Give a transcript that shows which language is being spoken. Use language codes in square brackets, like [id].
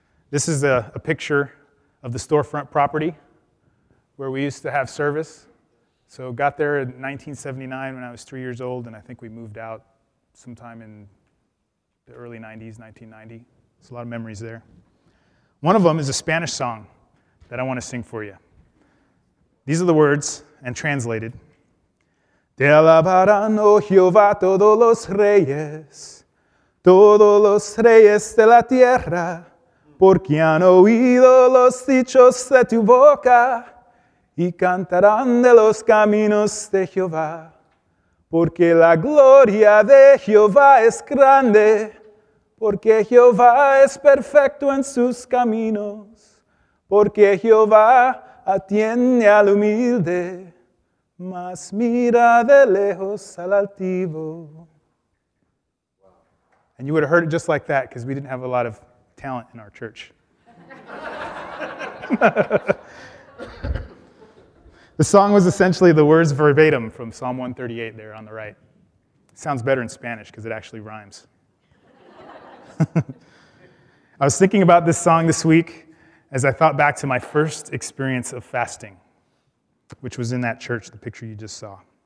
[en] This is a picture of the storefront property where we used to have service. So got there in 1979 when I was 3 years old, and I think we moved out sometime in the early 90s, 1990. There's a lot of memories there. One of them is a Spanish song that I want to sing for you. These are the words, and translated. [es] Te alabarán, oh Jehová, todos los reyes de la tierra, porque han oído los dichos de tu boca, y cantarán de los caminos de Jehová, porque la gloria de Jehová es grande, porque Jehová es perfecto en sus caminos, porque Jehová atiende al humilde, mas mira de lejos al altivo. [en] And you would have heard it just like that, because we didn't have a lot of talent in our church. The song was essentially the words verbatim from Psalm 138 there on the right. It sounds better in Spanish because it actually rhymes. I was thinking about this song this week as I thought back to my first experience of fasting, which was in that church, the picture you just saw.